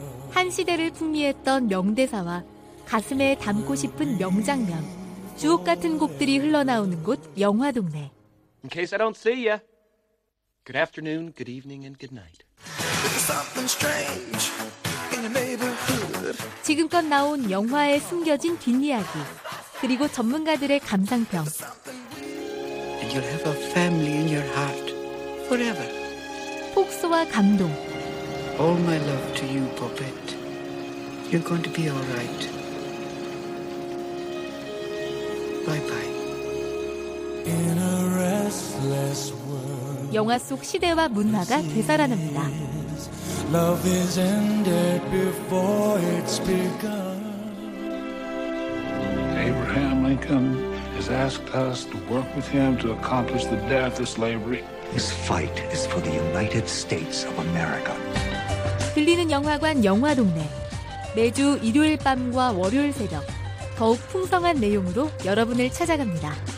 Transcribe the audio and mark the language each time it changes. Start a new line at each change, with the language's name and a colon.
Korean: 한 시대를 풍미했던 명대사와 가슴에 담고 싶은 명장면, 주옥 같은 곡들이 흘러나오는 곳, 영화 동네.
English: In case I don't see ya. Good afternoon, good evening, and good night. Something strange in your neighborhood.
Korean: 지금껏 나온 영화의 숨겨진 뒷이야기, 그리고 전문가들의 감상평.
English: You'll have a family in your heart forever.
Korean: 폭소와 감동.
English: All my love to you, puppet. You're going to be all right. Bye-bye. In a restless world.
Korean: 영화 속 시대와 문화가 되살아납니다.
English: Love is ended before it's begun. Abraham Lincoln has asked us to work with him to accomplish the death of slavery. This fight is for the United States of America.
Korean: 들리는 영화관 영화 동네. 매주 일요일 밤과 월요일 새벽 더욱 풍성한 내용으로 여러분을 찾아갑니다.